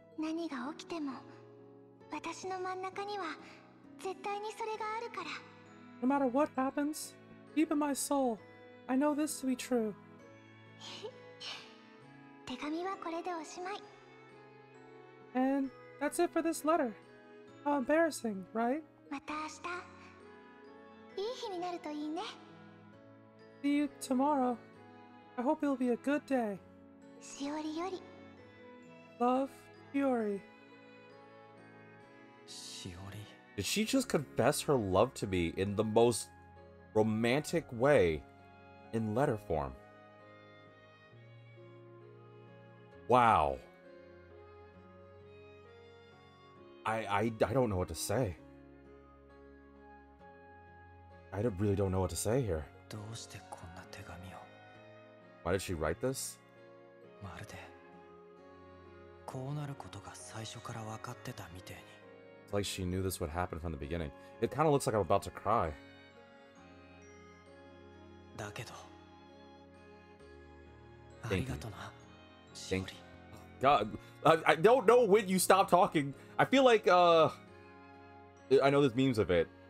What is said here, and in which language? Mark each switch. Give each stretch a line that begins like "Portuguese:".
Japanese: 何が起きても私の真ん中には絶対にそれがあるから。
English: No matter what happens, deep in my soul, I know this to be true.
Japanese: 手紙はこれでおしまい。
English: And that's it for this letter. How embarrassing, right?
Japanese: また明日。いい日になるといいね。
English: See you tomorrow. I hope it'll be a good day.
Japanese: しおりより。
English: Love, Fury.
Japanese: しおり。
English: Did she just confess her love to me in the most romantic way in letter form? Wow. I don't know what to say. I really don't know what to say here.
Japanese: どうしてこんな手紙を?
English: Why did she write this?
Japanese: まるでこうなることが最初から分かってたみてえに。
English: Like she knew this would happen from the beginning. It kind of looks like I'm about to cry.
Japanese: だけど、
English: Thank you. Thank you. God, I don't know when you stop talking. I feel like, I know there's memes of it.